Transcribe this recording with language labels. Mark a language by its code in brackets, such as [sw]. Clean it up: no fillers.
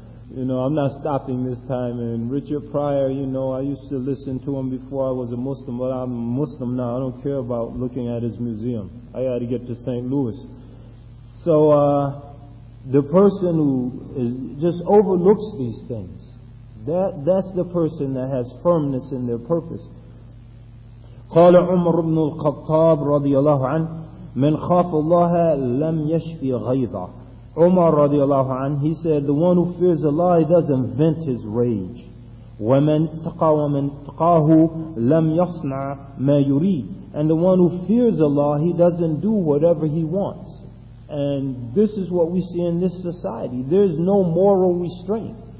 [en] You know, I'm not stopping this time. And Richard Pryor, you know, I used to listen to him before I was a Muslim, but I'm Muslim now. I don't care about looking at his museum. I got to get to St. Louis. So the person who just overlooks these things, that's the person that has firmness in their purpose. [ar] قال عمر بن الخطاب رضي الله عنه من خاف الله لم يشفي غيظا. [en] Umar radiallahu anhu, he said, the one who fears Allah, he doesn't vent his rage. [ar] وَمَنْ تَقَاهُ لَمْ يَصْنَعْ مَا يُرِيدُ. [en] And the one who fears Allah, he doesn't do whatever he wants. And this is what we see in this society. There's no moral restraint.